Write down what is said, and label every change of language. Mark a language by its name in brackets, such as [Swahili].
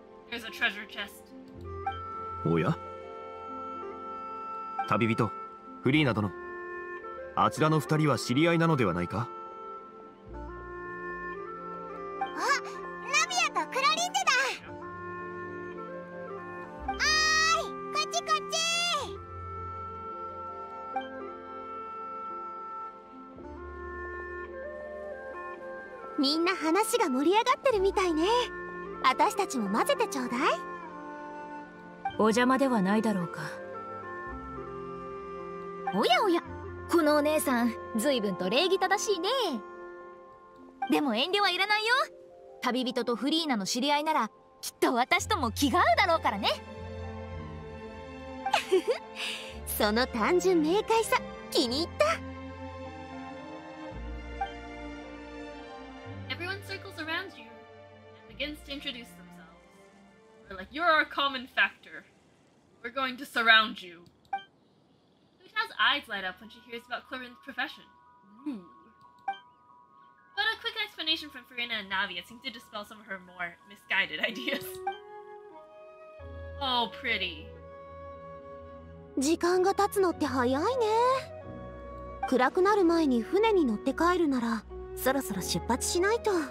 [English] There's a treasure chest. [Japanese] おや？旅人、フリーナ殿。あちらの二人は知り合いなのではないか？みんな話が盛り上がってるみたいね。私たちも混ぜてちょうだい。お邪魔ではないだろうか。おやおや、このお姉さん随分と礼儀正しいね。でも遠慮はいらないよ。旅人とフリーナの知り合いならきっと私とも気が合うだろうからね。その単純明快さ気に入った。 [English] Everyone circles around you and begins to introduce themselves. They're like, you're our common factor. We're going to surround you. Uta's eyes light up when she hears about Clarin's profession. But a quick explanation from Farina and Navia seems to dispel some of her more misguided ideas. Oh, pretty. [Japanese] 時間が経つのって早いね。暗くなる前に船に乗って帰るならそろそろ出発しないと。